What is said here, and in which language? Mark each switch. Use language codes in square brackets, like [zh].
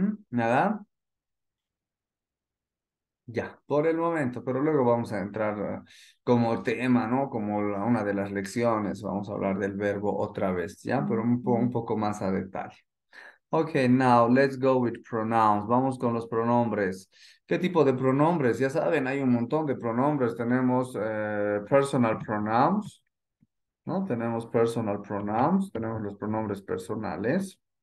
[es] ¿Nada? Ya, por el momento, pero luego vamos a entrar como tema, ¿no? Como una de las lecciones, vamos a hablar del verbo otra vez, ¿ya? Pero un poco más a detalle. [en] Ok, now let's go with pronouns. [es] Vamos con los pronombres. ¿Qué tipo de pronombres? Ya saben, hay un montón de pronombres. Tenemos personal pronouns, ¿no? Tenemos personal pronouns, tenemos los pronombres personales.